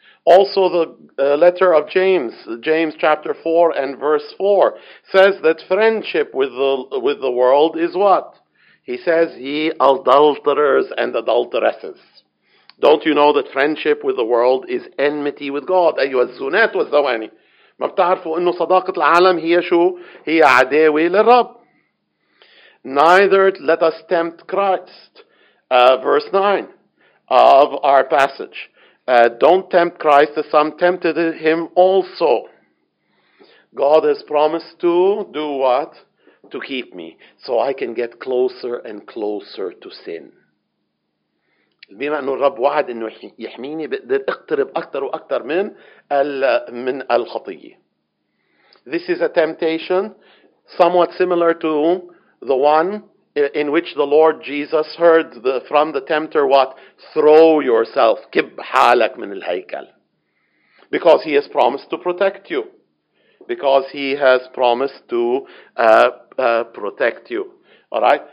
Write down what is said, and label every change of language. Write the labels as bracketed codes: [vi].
[en] Also, the letter of James, James chapter 4 and verse 4, says that friendship with the world is what? He says, ye adulterers and adulteresses. Don't you know that friendship with the world is enmity with God? [ar] أيها الزونات والزواني. ما بتعرفوا إنه صداقة العالم هي شو؟ هي عداوة للرب. [en] Neither let us tempt Christ. Verse 9 of our passage. Don't tempt Christ as some tempted him also. God has promised to do what? To keep me so I can get closer and closer to sin. [ar] بما أن الرب وعد أنه يحميني بقدر اقترب أكثر وأكثر من الخطية. [en] This is a temptation somewhat similar to the one in which the Lord Jesus heard from the tempter, what? Throw yourself. [ar] كب حالك من الهيكل. [en] Because he has promised to protect you. Because he has promised to protect you. All right?